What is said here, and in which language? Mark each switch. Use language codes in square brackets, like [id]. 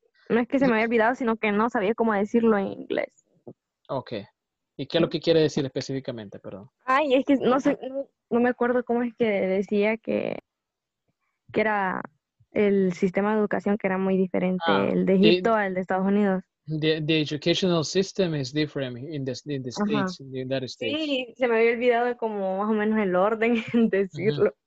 [es] No es que se me haya olvidado, sino que no sabía cómo decirlo en inglés. Ok. ¿Y qué es lo que quiere decir específicamente, perdón? Ay, es que no sé, no me acuerdo cómo es que decía que era el sistema de educación, que era muy diferente el de Egipto al de Estados Unidos. [en] The educational system is different in the States, in the United States. [es] Sí, se me había olvidado como más o menos el orden en decirlo.